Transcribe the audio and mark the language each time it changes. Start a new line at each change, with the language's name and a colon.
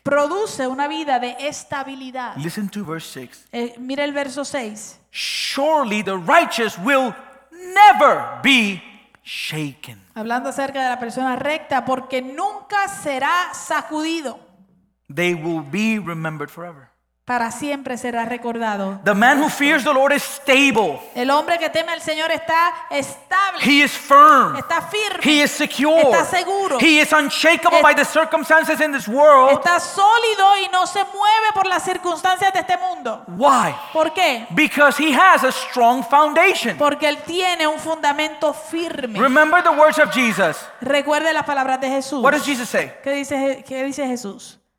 Spanish: Produce una vida de estabilidad.
English: Listen to verse 6.
Spanish: Mira el verso 6.
English: Surely the righteous will never be shaken.
Spanish: Hablando acerca de la persona recta, porque nunca será sacudido.
English: They will be remembered forever.
Spanish: Para siempre será recordado.
English: The man who fears the Lord is stable.
Spanish: El hombre que teme al Señor está estable.
English: He is firm.
Spanish: Está firme.
English: He is secure.
Spanish: Está seguro.
English: He is unshakable by the circumstances in this world.
Spanish: Está sólido y no se mueve por las circunstancias de este mundo.
English: Why?
Spanish: ¿Por qué?
English: Because he has a strong foundation.
Spanish: Porque él tiene un fundamento firme.
English: Remember the words of Jesus.
Spanish: Recuerde las palabras de Jesús.
English: What does Jesus say?
Spanish: ¿Qué dice Jesús?